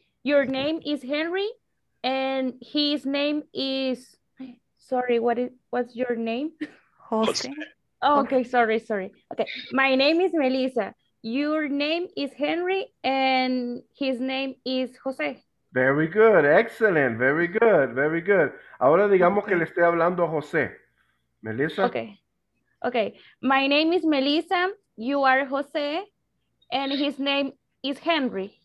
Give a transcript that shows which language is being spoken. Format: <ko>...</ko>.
<en>Your name is Henry, and his name is, sorry, what's your name? Jose. Oh, okay, sorry. Okay, my name is Melissa. Your name is Henry, and his name is Jose. Very good, excellent, very good, very good.</en> <es>Ahora digamos okay. que le esté hablando a Jose.</es> <en>Melissa. Okay, my name is Melissa, you are Jose, and his name is Henry.</en>